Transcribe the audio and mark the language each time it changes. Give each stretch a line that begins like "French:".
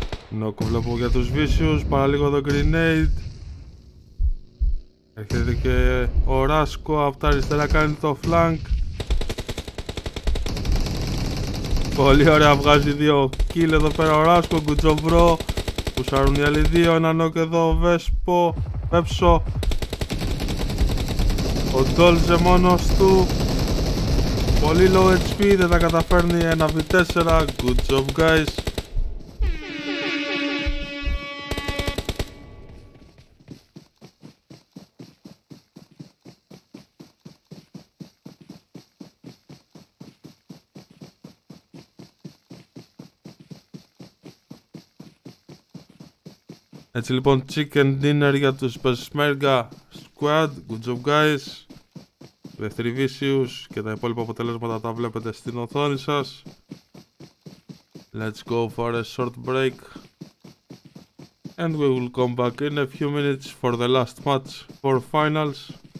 Greek: Νόκο βλέπω για τους Vicious, παραλίγο το Grenade. Έρχεται και ο Ράσκο από τα αριστερά, κάνει το flank. Πολύ ωραία, βγάζει δύο kill εδώ πέρα ο Ράσκο,
English: good job bro.
Greek: Πουσάρουν οι άλλοι δύο, ένα νόκ εδώ, Βέσπο, Βέψο. Ο Ντόλζε μόνος του. Πολύ low HP, δεν τα καταφέρνει, ένα V4,
English: good job guys.
Greek: Έτσι λοιπόν, chicken dinner για τους Peshmerga squad,
English: good job guys.
Greek: Δεύτερη Vicious και τα υπόλοιπα αποτελέσματα τα βλέπετε στην οθόνη σας.
English: Let's go for a short break and we will come back in a few minutes for the last match for finals.